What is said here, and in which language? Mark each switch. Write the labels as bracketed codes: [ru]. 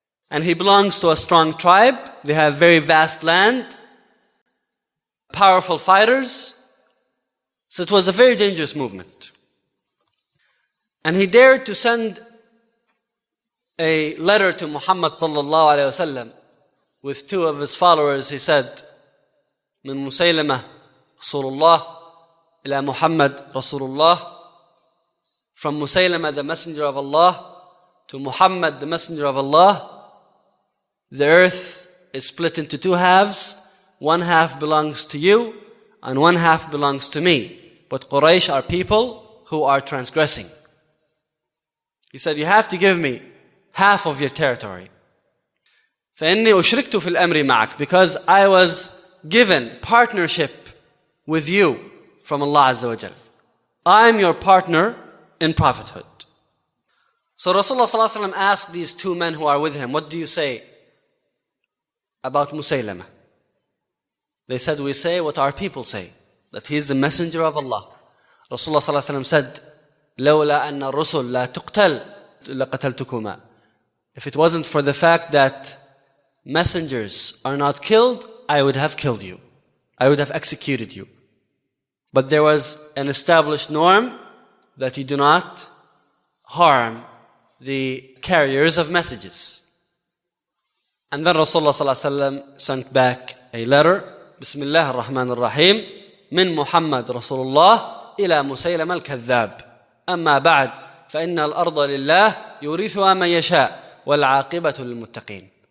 [en] And he belongs to a strong tribe. They have very vast land. powerful fighters. So it was a very dangerous movement. And he dared to send a letter to Muhammad sallallahu alayhi wa sallam with two of his followers. He said, [ar] من مسيلمة رسول الله إلى محمد رسول الله. [en] From Musaylimah, the messenger of Allah, to Muhammad, the messenger of Allah, the earth is split into two halves. One half belongs to you and one half belongs to me. But Quraysh are people who are transgressing. He said, you have to give me half of your territory. [ar] فإني أشركت في الأمر معك, [en] because I was given partnership with you from Allah Azza wa Jal. I'm your partner in prophethood. So Rasulullah Sallallahu Alaihi Wasallam asked these two men who are with him, what do you say about Musaylimah? They said, we say what our people say, that he is the messenger of Allah. Rasulullah Sallallahu Alaihi Wasallam said, [ar] لَوْلَا أَنَّ الرُّسُلْ لَا تُقْتَلْ لَقَتَلْتُكُمَا. [en] If it wasn't for the fact that messengers are not killed, I would have killed you. I would have executed you. But there was an established norm that you do not harm the carriers of messages. And then Rasulullah Sallallahu Alaihi Wasallam sent back a letter, Bismillah ar-Rahman ar-Rahim, [ar] من محمد رسول الله إلى مسيلم الكذاب. أما بعد فإن الأرض لله يورثها من يشاء والعاقبة للمتقين.